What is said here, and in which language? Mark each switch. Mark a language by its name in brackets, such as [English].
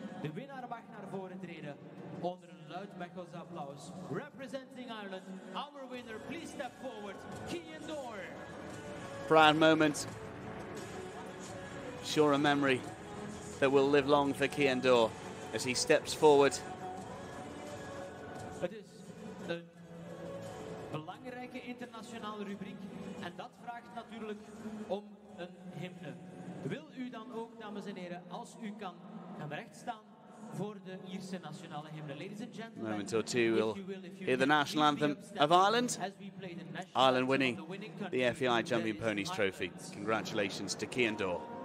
[Dutch] De winnaar mag naar voren treden onder een luid Mechelens applaus. [English] Representing Ireland, our winner, please step forward, Cian Dore. Proud moment. Sure a memory that will live long for Cian Dore as he steps forward. [Dutch] Het is een belangrijke internationale rubriek en dat vraagt natuurlijk om een hymne. Wil u dan ook, dames en heren, als u kan, gaan recht staan voor de Ierse nationale hymne. [English] Ladies and gentlemen, moment or two, we'll hear the national anthem of Ireland. Ireland winning the FEI Jumping Ponies Trophy. Congratulations to Cian Dore.